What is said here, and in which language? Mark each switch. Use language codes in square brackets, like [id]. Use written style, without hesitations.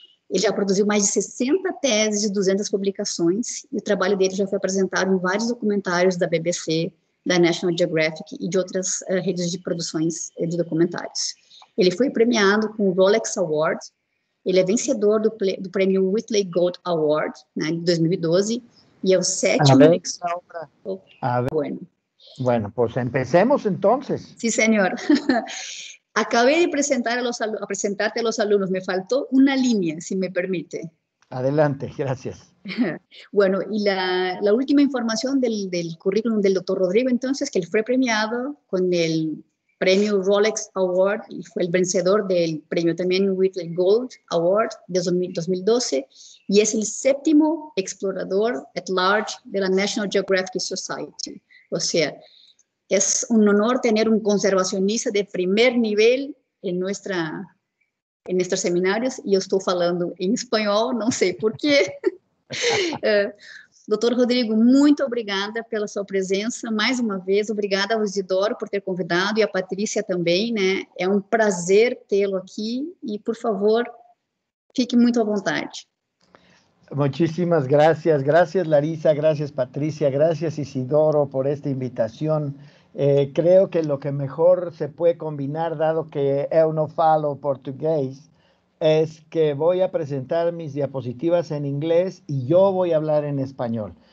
[pt] Ele já produziu mais de 60 teses e 200 publicações, e o trabalho dele já foi apresentado em vários documentários da BBC, da National Geographic e de outras redes de produções de documentários. Ele foi premiado com o Rolex Award, ele é vencedor do prêmio Whitley Gold Award, né, de 2012, e é o [es] A sétimo. ver, Laura. Oh, A ver. bueno. Bueno, pues empecemos entonces. Sí, señor. Acabé de presentarte a los alumnos, me faltó una línea, si me permite. Adelante, gracias. Bueno, y la última información del currículum del doctor Rodrigo, entonces, que él fue premiado con el premio Rolex Award y fue el vencedor del premio también Whitley Gold Award de 2012, y es el séptimo explorador at large de la National Geographic Society. O sea, es un honor tener un conservacionista de primer nivel en nuestros seminarios y yo estoy hablando en español, no sé por qué. [pt] Doctor Rodrigo, muito obrigada pela sua presença. Mais uma vez, obrigada ao Isidoro por ter convidado e a Patrícia também, né? É um prazer tê-lo aqui e, por favor, fique muito à vontade. [es] Muchísimas gracias, gracias Larisa, gracias Patricia, gracias Isidoro por esta invitación. Creo que lo que mejor se puede combinar, dado que [pt] eu no falo [es] portugués, es que voy a presentar mis diapositivas en inglés y yo voy a hablar en español.